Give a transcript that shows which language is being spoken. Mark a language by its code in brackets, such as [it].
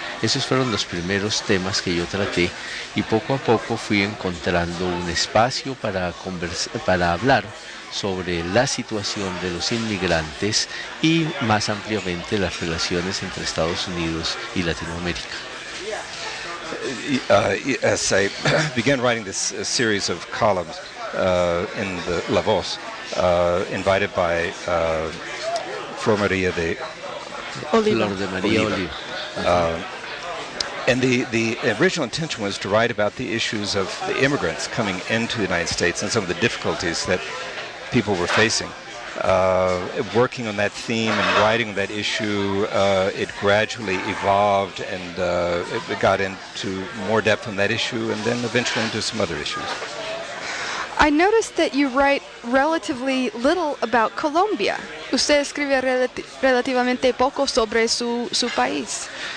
[es] Esos fueron los primeros temas que yo traté y poco a poco fui encontrando un espacio para hablar sobre la situación de los inmigrantes y más ampliamente las relaciones entre Estados Unidos y Latinoamérica. [en] As I began writing this series of columns in the La Voz, invited by Flor María de Oliva. Flor de María Oliva. And the original intention was to write about the issues of the immigrants coming into the United States and some of the difficulties that people were facing. Working on that theme and writing that issue, it gradually evolved and it got into more depth on that issue and then eventually into some other issues. I noticed that you write relatively little about Colombia. [es] Usted escribe relativamente poco sobre su país.